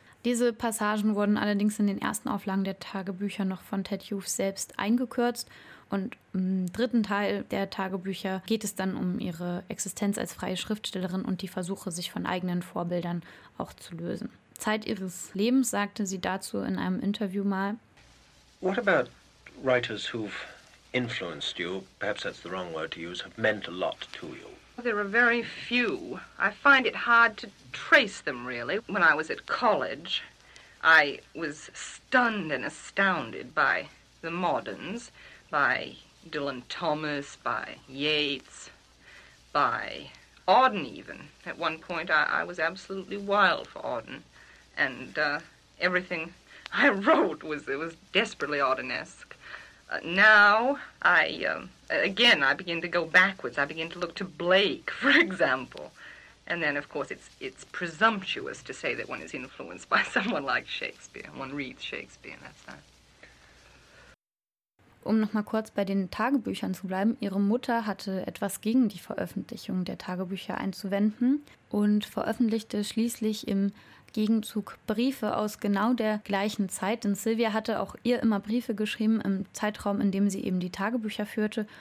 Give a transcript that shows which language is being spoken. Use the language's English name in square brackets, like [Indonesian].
[German] Diese Passagen wurden allerdings in den ersten Auflagen der Tagebücher noch von Ted Hughes selbst eingekürzt. Und im dritten Teil der Tagebücher geht es dann um ihre Existenz als freie Schriftstellerin und die Versuche, sich von eigenen Vorbildern auch zu lösen. Zeit ihres Lebens sagte sie dazu in einem Interview mal: [English] What about writers who've influenced you? Perhaps that's the wrong word to use. Have meant a lot to you. There are very few. I find it hard to trace them, really. When I was at college, I was stunned and astounded by the moderns, by Dylan Thomas, by Yeats, by Auden even. At one point, I was absolutely wild for Auden, and everything I wrote was desperately Auden-esque. Now, I begin to go backwards. I begin to look to Blake, for example. And then, of course, it's presumptuous to say that one is influenced by someone like Shakespeare. One reads Shakespeare, and that's that. [German] Um nochmal kurz bei den Tagebüchern zu bleiben, ihre Mutter hatte etwas gegen die Veröffentlichung der Tagebücher einzuwenden und veröffentlichte schließlich im Gegenzug Briefe aus genau der gleichen Zeit. Denn Sylvia hatte auch ihr immer Briefe geschrieben im Zeitraum, in dem sie eben die Tagebücher führte.